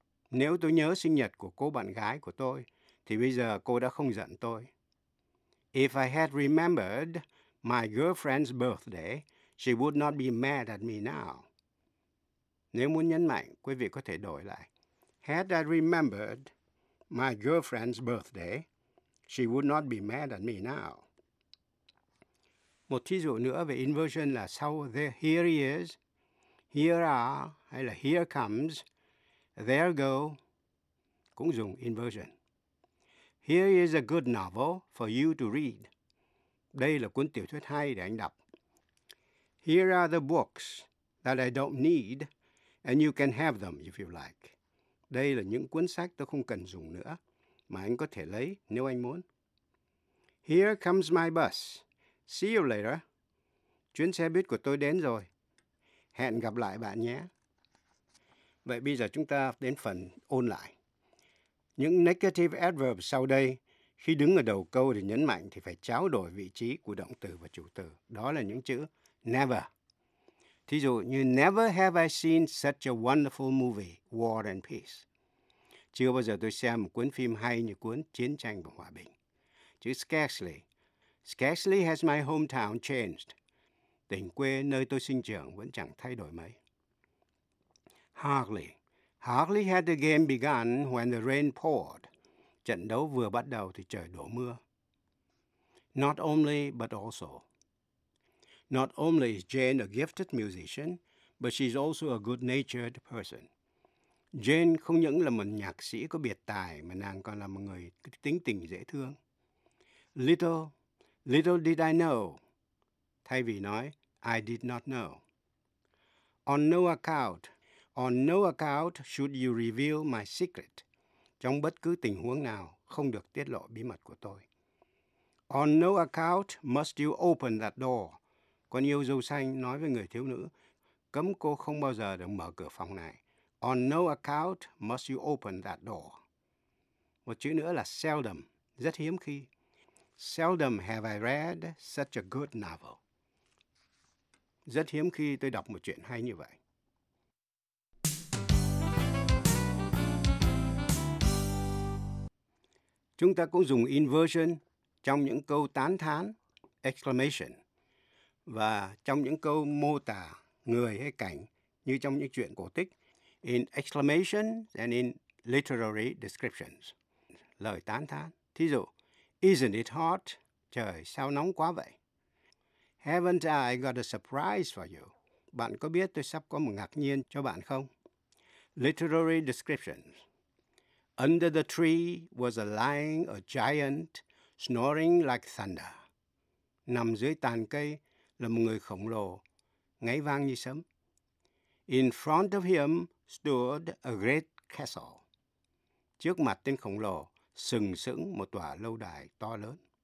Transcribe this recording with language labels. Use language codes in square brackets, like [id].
[vi] Nếu tôi nhớ sinh nhật của cô bạn gái của tôi, thì bây giờ cô đã không giận tôi. [en] If I had remembered my girlfriend's birthday, she would not be mad at me now. [vi] Nếu muốn nhấn mạnh, quý vị có thể đổi lại. [en] Had I remembered my girlfriend's birthday, she would not be mad at me now. [vi] Một thí dụ nữa về inversion là sau there, [en] here he is, [vi] here are, hay là here comes, there go, cũng dùng inversion. [en] Here is a good novel for you to read. [vi] Đây là cuốn tiểu thuyết hay để anh đọc. [en] Here are the books that I don't need, and you can have them if you like. [vi] Đây là những cuốn sách tôi không cần dùng nữa, mà anh có thể lấy nếu anh muốn. [en] Here comes my bus. See you later. [vi] Chuyến xe buýt của tôi đến rồi. Hẹn gặp lại bạn nhé. Vậy bây giờ chúng ta đến phần ôn lại. Những negative adverbs sau đây, khi đứng ở đầu câu để nhấn mạnh thì phải trao đổi vị trí của động từ và chủ từ. Đó là những chữ never. Thí dụ như [en] never have I seen such a wonderful movie, War and Peace. [vi] Chưa bao giờ tôi xem một cuốn phim hay như cuốn Chiến tranh và Hòa bình. Chữ scarcely. [en] Scarcely has my hometown changed. [vi] Tỉnh quê nơi tôi sinh trưởng vẫn chẳng thay đổi mấy. [en] Hardly. Hardly had the game begun when the rain poured. [vi] Trận đấu vừa bắt đầu thì trời đổ mưa. [en] Not only, but also. Not only is Jane a gifted musician, but she's also a good-natured person. [vi] Jane không những là một nhạc sĩ có biệt tài mà nàng còn là một người tính tình dễ thương. [en] Little did I know. [vi] Thay vì nói, [en] I did not know. On no account should you reveal my secret. [vi] Trong bất cứ tình huống nào, không được tiết lộ bí mật của tôi. [en] On no account must you open that door. [vi] Con yêu dâu xanh nói với người thiếu nữ, cấm cô không bao giờ được mở cửa phòng này. [en] On no account must you open that door. [vi] Một chữ nữa là seldom, rất hiếm khi. [en] Seldom have I read such a good novel. [vi] Rất hiếm khi tôi đọc một chuyện hay như vậy. Chúng ta cũng dùng inversion trong những câu tán thán, exclamation, và trong những câu mô tả người hay cảnh như trong những chuyện cổ tích, [en] in exclamation and in literary descriptions, [vi] lời tán thán. Thí dụ, [en] isn't it hot? [vi] Trời, sao nóng quá vậy? [en] Haven't I got a surprise for you? [vi] Bạn có biết tôi sắp có một ngạc nhiên cho bạn không? [en] Literary descriptions. Under the tree was lying a giant snoring like thunder. [vi] Nằm dưới tàn cây là một người khổng lồ, ngáy vang như sấm. [en] In front of him stood a great castle. [vi] Trước mặt tên khổng lồ, sừng sững một tòa lâu đài to lớn.